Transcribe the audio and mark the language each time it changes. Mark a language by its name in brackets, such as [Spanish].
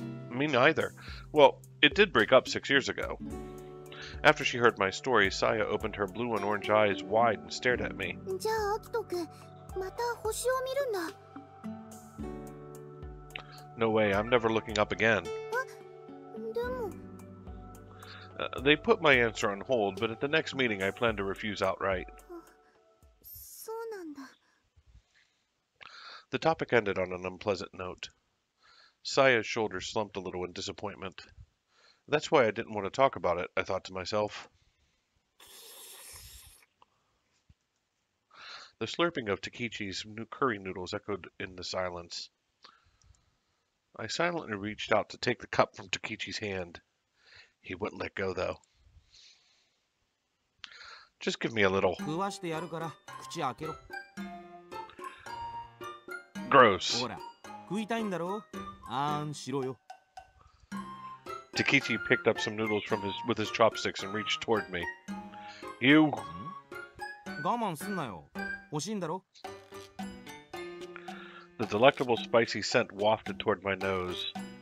[English] Me neither. Well, it did break up 6 years ago. After she heard my story, Saya opened her blue and orange eyes wide and stared at me. [Japanese] じゃあ、アキト君、また星を見るんだ。 [English] No way, I'm never looking up again. [Japanese] でも… [English] They put my answer on hold, but at the next meeting I plan to refuse outright. [Japanese] そうなんだ。 [English] The topic ended on an unpleasant note. Saya's shoulders slumped a little in disappointment. That's why I didn't want to talk about it, I thought to myself. The slurping of Takichi's new curry noodles echoed in the silence. I silently reached out to take the cup from Takichi's hand. He wouldn't let go, though. Just give me a little. [Japanese] 食わしてやるから口開けろ。 [English] Gross. [Japanese] ほら、食いたいんだろう。あんしろよ。 [English] Takichi picked up some noodles from his with his chopsticks and reached toward me. You. [Japanese] 我慢すんなよ。欲しいんだろ。 [English] The delectable spicy scent wafted toward my nose.